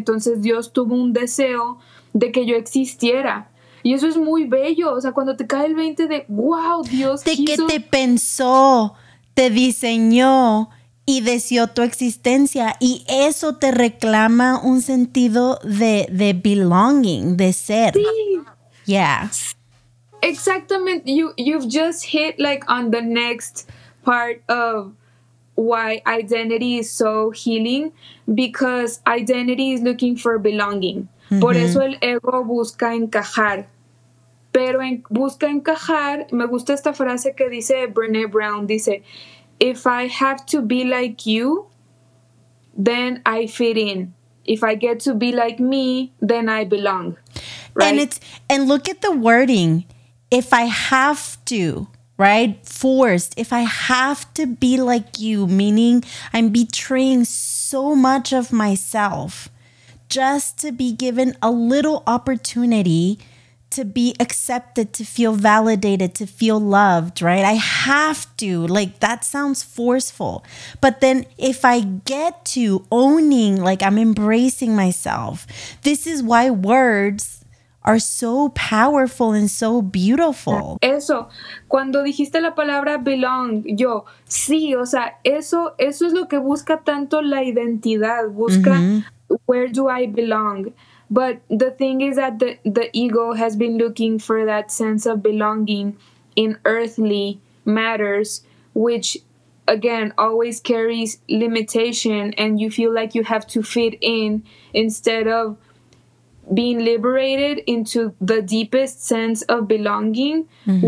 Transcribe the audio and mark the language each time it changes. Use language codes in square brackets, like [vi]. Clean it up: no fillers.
[es] Entonces Dios tuvo un deseo de que yo existiera, y eso es muy bello. O sea, cuando te cae el 20 de wow, Dios ¿de qué te pensó? Te diseñó y deseó tu existencia, y eso te reclama un sentido de belonging, de ser. Sí. [en] Yeah. [es] Exactamente. [en] You've just hit like on the next part of why identity is so healing, because identity is looking for belonging. Mm-hmm. [es] Por eso el ego busca encajar. Pero busca encajar, me gusta esta frase que dice Brené Brown, dice, [en] if I have to be like you, then I fit in. If I get to be like me, then I belong. Right? And look at the wording. If I have to, right? Forced. If I have to be like you, meaning I'm betraying so much of myself just to be given a little opportunity to be accepted, to feel validated, to feel loved, right? I have to, like, that sounds forceful. But then if I get to owning, like, I'm embracing myself, this is why words are so powerful and so beautiful. [es] Eso, cuando dijiste la palabra belong, yo, sí, o sea, eso es lo que busca tanto la identidad, busca [en] where do I belong? But the thing is that the ego has been looking for that sense of belonging in earthly matters, which again, always carries limitation, and you feel like you have to fit in instead of being liberated into the deepest sense of belonging, mm-hmm.